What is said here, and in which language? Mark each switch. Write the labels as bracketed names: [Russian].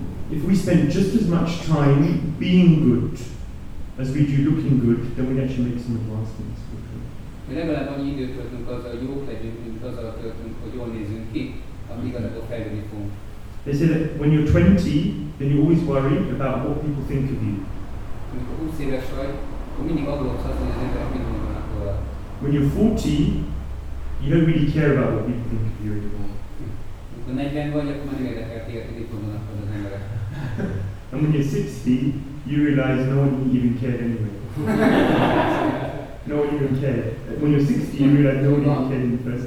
[English] If we spend just as much time being good as we do looking good, then we actually make some advancements. [Hungarian] Mi legalább annyi időt töltünk azzal, hogy jók legyünk, mint azzal töltünk, hogy jól nézzünk ki, amíg igazából fejlődni fogunk. [English] They say that when you're 20, then you always worry about what people think of you. [Hungarian] Amikor 20 éves vagy, akkor mindig aggódsz azon, hogy az emberek mit gondolnak róla. [English] When you're 40, you don't really care about what people think of you anymore. [Hungarian] Amikor 40 vagy, akkor már nem érdekel téged, hogy mit gondolnak róla az emberek. [English] And when you're 60, you realize no one even cared anyway. No one even cared. When you're 60, you realize no one even cared in the first